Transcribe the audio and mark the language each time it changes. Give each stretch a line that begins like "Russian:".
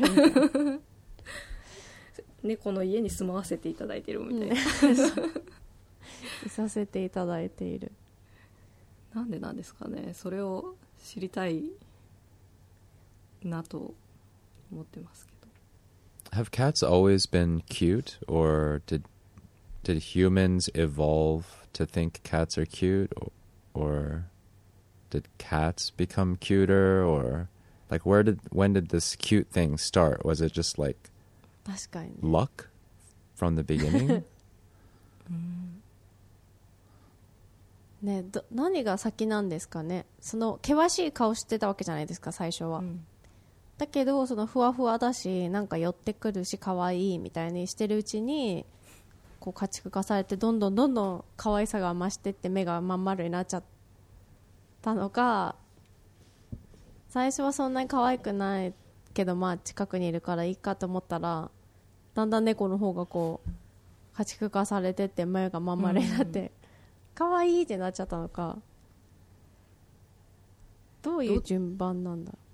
Japanese: みたいな猫の家に住まわせていただいてるみたいな、うん、いさせていただいている、なんでなんですかね、それを知りたいなと思ってますけど。
English: Have cats always been cute, or did humans evolve to think cats are cute, or did cats become cuter, or like where did, when did this cute thing start? Was it just like luck from the beginning?
Japanese: ね、何が先なんですかね。その険しい顔してたわけじゃないですか最初は、うん、だけどそのふわふわだしなんか寄ってくるし可愛いみたいにしてるうちにこう家畜化されてどんどんどんどん可愛さが増してって目がまん丸になっちゃったのか、最初はそんなに可愛くないけどまあ近くにいるからいいかと思ったらだんだん猫の方がこう家畜化されてって目がまん丸になって、うん、可愛いってなっちゃったのか、どういう順番なんだ。